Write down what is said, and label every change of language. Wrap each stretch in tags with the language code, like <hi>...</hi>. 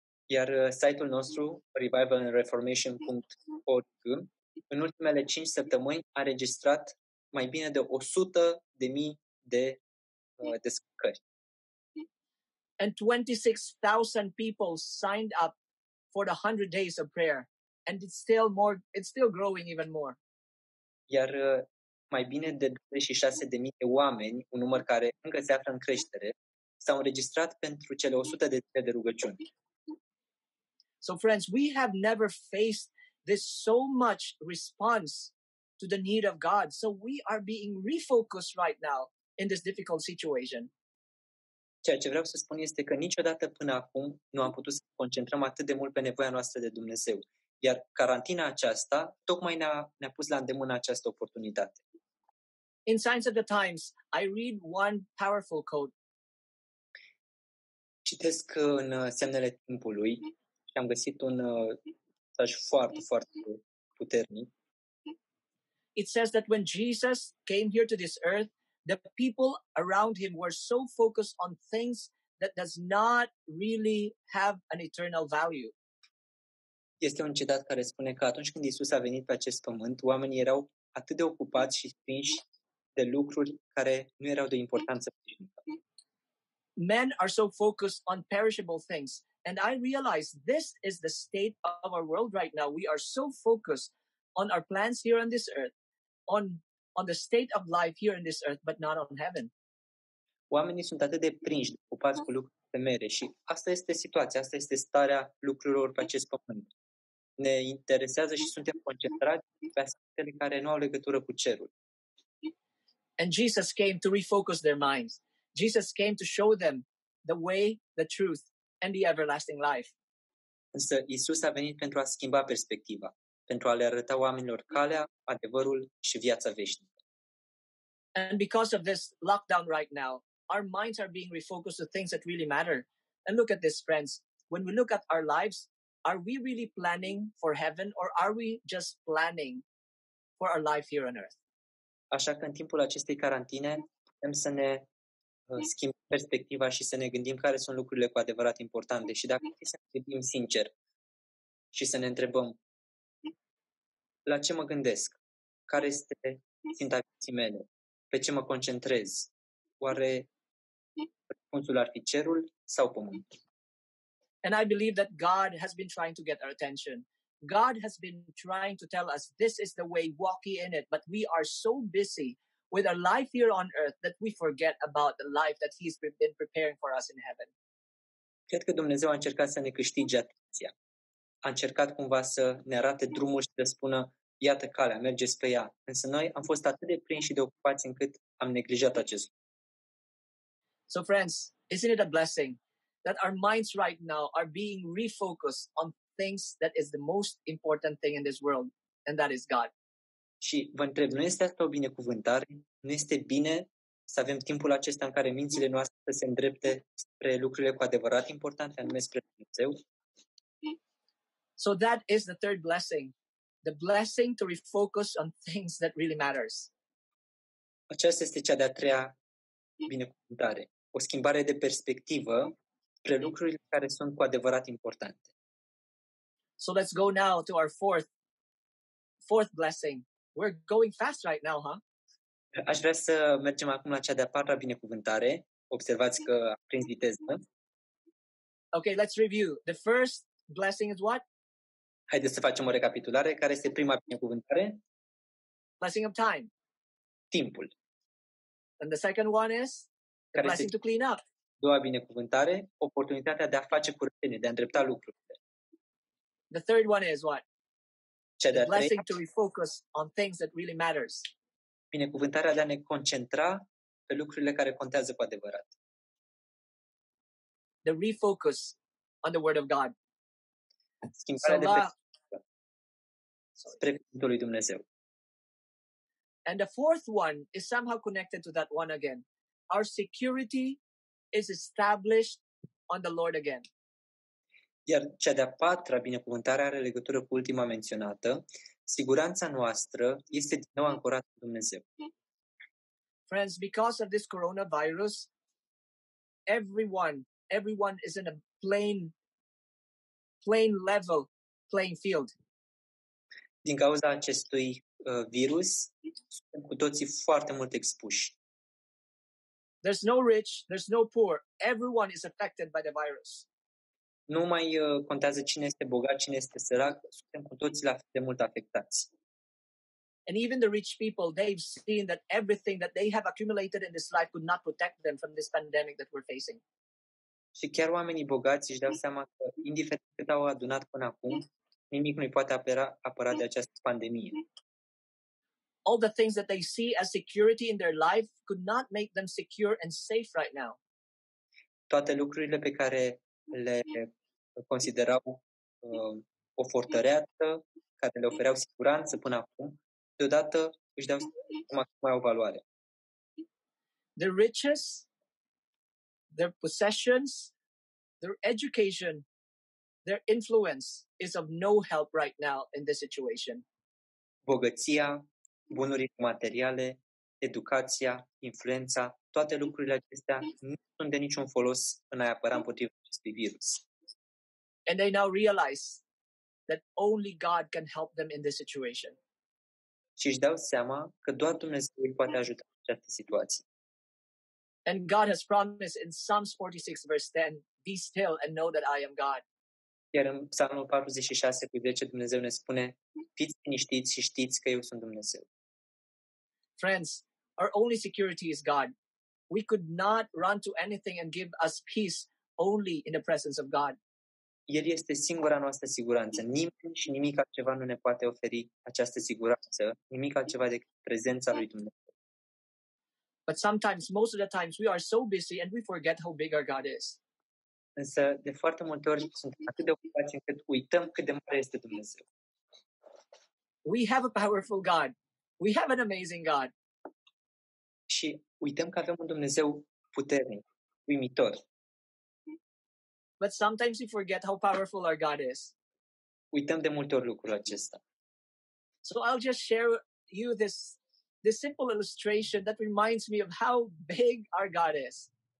<ro>Iar site-ul nostru, revivalandreformation.org, în ultimele 5 săptămâni a registrat mai bine de 100,000 de descărcări.</ro> <en>And 26,000 people signed up for the 100 days of prayer, and it's still growing even more.</en> <ro>Iar mai bine de 26,000 de oameni, un număr care încă se află în creștere, s-au înregistrat pentru cele 100 de zile de rugăciuni.</ro> <en>So friends, we have never faced this so much response to the need of God. So we are being refocused right now in this difficult situation.</en> <ro>Ceea ce vreau să spun este că niciodată până acum nu am putut să ne concentrăm atât de mult pe nevoia noastră de Dumnezeu. Iar carantina aceasta tocmai ne-a pus la îndemână această oportunitate.</ro> <en>In Signs of the Times, I read one powerful quote.</en> <ro>Citesc în Semnele Timpului și am găsit un pasaj foarte, foarte puternic.</ro> <en>It says that when Jesus came here to this earth, the people around him were so focused on things that does not really have an eternal value.</en> <ro>Este un citat care spune că atunci când Iisus a venit pe acest pământ, oamenii erau atât de ocupați și prinși de lucruri care nu erau de importanță.</ro> <en>Men are so focused on perishable things. And I realize this is the state of our world right now. We are so focused on our plans here on this earth. On the state of life here in this earth, but not on heaven.</en> <ro>Oamenii sunt atât de prinși, ocupați cu lucruri temere și asta este situația, asta este starea lucrurilor pe acest pământ. Ne interesează și suntem concentrați pe aspectele care nu au legătură cu cerul.</ro> <en>And Jesus came to refocus their minds. Jesus came to show them the way, the truth, and the everlasting life.</en> <ro>Însă Iisus a venit pentru a schimba perspectiva, pentru a le arăta oamenilor calea, adevărul și viața veșnică.</ro> <en>And because of this lockdown right now, our minds are being refocused to things that really matter. And look at this, friends. When we look at our lives, are we really planning for heaven or are we just planning for our life here on earth?</en> <ro>Așa că în timpul acestei carantine putem să ne schimbăm perspectiva și să ne gândim care sunt lucrurile cu adevărat importante și dacă să ne gândim sincer și să ne întrebăm la ce mă gândesc, care este ținta vieții mele, pe ce mă concentrez, oare răspunsul ar fi cerul sau pământul?</ro> <en>And I believe that God has been trying to get our attention. God has been trying to tell us this is the way, walk in it. But we are so busy with our life here on earth that we forget about the life that He's been preparing for us in heaven.</en> <ro>Cred că Dumnezeu a încercat să ne câștige atenția. A încercat cumva să ne arate drumul și să spună, iată calea, mergeți pe ea. Însă noi am fost atât de prinși și de ocupați încât am neglijat acest lucru.</ro> <en>So friends, isn't it a blessing that our minds right now are being refocused on things that is the most important thing in this world, and that is God.</en> <ro>Și vă întreb, nu este asta o binecuvântare? Nu este bine să avem timpul acesta în care mințile noastre să se îndrepte spre lucrurile cu adevărat importante, anume spre Dumnezeu?</ro> <en>So that is the third blessing. The blessing to refocus on things that really matters.</en> <ro>Aceasta este cea de-a treia binecuvântare. O schimbare de perspectivă spre lucrurile care sunt cu adevărat importante.</ro> <en>So let's go now to our fourth blessing. We're going fast right now, huh?</en> <ro>Aș vrea să mergem acum la cea de-a patra binecuvântare. Observați că a prins viteză.</ro> <en>Okay, let's review. The first blessing is what?</en> <ro>Haideți să facem o recapitulare. Care este prima binecuvântare?</ro> <en>Blessing of time.</en> <ro>Timpul.</ro> <en>And the second one is? The blessing to clean up.</en> <ro>Doua binecuvântare, oportunitatea de a face curățenie, de a îndrepta lucrurile.</ro> <en>The third one is what?</en> <ro>Cea de-a treia.</ro> <en>Blessing to refocus on things that really matters.</en> <ro>Binecuvântarea de a ne concentra pe lucrurile care contează cu adevărat.</ro> <en>The refocus on the word of God.</en> <ro>Schimbarea de perspectivă spre cuvântul lui Dumnezeu.</ro> <en>And the fourth one is somehow connected to that one again. Our security is established on the Lord again.</en> <ro>Iar cea de-a patra binecuvântare are legătură cu ultima menționată. Siguranța noastră este din nou ancorată în Dumnezeu.</ro> <en>Friends, because of this coronavirus, everyone is in a plain level playing field.</en> <ro>Din cauza acestui virus, suntem cu toții foarte mult expuși.</ro> <en>There's no rich, there's no poor. Everyone is affected by the virus.</en> <ro>Nu mai contează cine este bogat, cine este sărac, suntem cu toții la fel de mult afectați.</ro> <en>And even the rich people, they've seen that everything that they have accumulated in this life could not protect them from this pandemic that we're facing.</en> <ro>Și chiar oamenii bogați își dau seama că, indiferent cât au adunat până acum, nimic nu-i poate apăra de această pandemie.</ro> <en>All the things that they see as security in their life could not make them secure and safe right now.</en> <ro>Toate lucrurile pe care le considerau o fortăreață, care le ofereau siguranță până acum, deodată își dau seama că mai au valoare.</ro> <en>The riches, their possessions, their education, their influence is of no help right now in this situation.</en> <ro>Bogăția, bunurile materiale, educația, influența, toate lucrurile acestea nu sunt de niciun folos în a apăra împotriva acestui virus.</ro> <en>And they now realize that only God can help them in this situation.</en> <ro>Și își dau seama că doar Dumnezeu îi poate ajuta în această situație.</ro> <en>And God has promised in Psalms 46 verse 10, be still and know that I am God.</en> <ro>Iar în Psalmul 46 cu 10 Dumnezeu ne spune, fiți liniștiți și știți că eu sunt Dumnezeu.</ro> <en>Friends, our only security is God. We could not run to anything and give us peace only in the presence of God.</en> <ro>El este singura noastră siguranță. Nimeni și nimic altceva nu ne poate oferi această siguranță, nimic altceva decât prezența lui Dumnezeu.</ro> <en>But sometimes, most of the times, we are so busy and we forget how big our God is.</en> <ro>Însă, de foarte multe ori, suntem atât de ocupați încât uităm cât de mare este Dumnezeu.</ro> <en>We have a powerful God. We have an amazing God.</en> <ro>Și uităm că avem un Dumnezeu puternic, uimitor.</ro> <en>But sometimes we forget how powerful our God is.</en> <ro>Uităm de multe ori lucrul acesta.</ro> <en>So I'll just share with you this simple illustration that reminds me of how big our God is.</en>